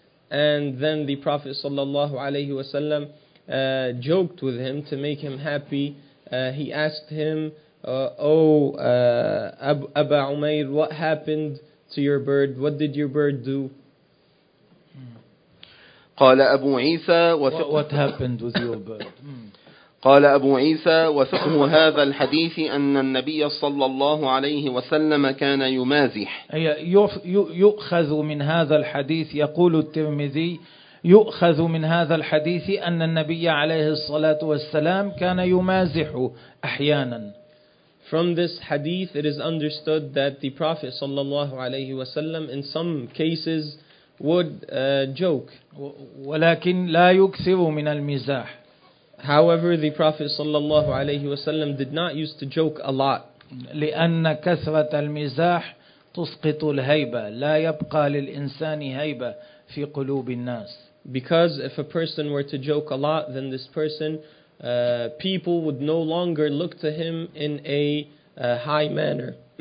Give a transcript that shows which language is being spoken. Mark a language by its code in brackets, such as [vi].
[en] And then the Prophet [ar] sallallahu alayhi wasallam [en] joked with him to make him happy. He asked him, Abba Umair, what happened to your bird? What did your bird do? [ar] قال أبو عيسى [en] what happened with your bird? [ar] قال أبو عيسى: وفقه هذا الحديث أن النبي صلى الله عليه وسلم كان يمازح. يؤخذ من هذا الحديث، يقول الترمذي، يؤخذ من هذا الحديث أن النبي عليه الصلاة والسلام كان يمازح أحيانا. [en] From this hadith it is understood that the Prophet [ar] صلى الله عليه وسلم [en] in some cases would joke. [ar] ولكن لا يكثر من المزاح. [en] However, the Prophet [ar] صلى الله عليه وسلم [en] did not used to joke a lot. [ar] لأن كثرة المزاح تسقط الهيبة، لا يبقى للإنسان هيبة في قلوب الناس. [en] Because if a person were to joke a lot, then this person, people would no longer look to him in a high manner.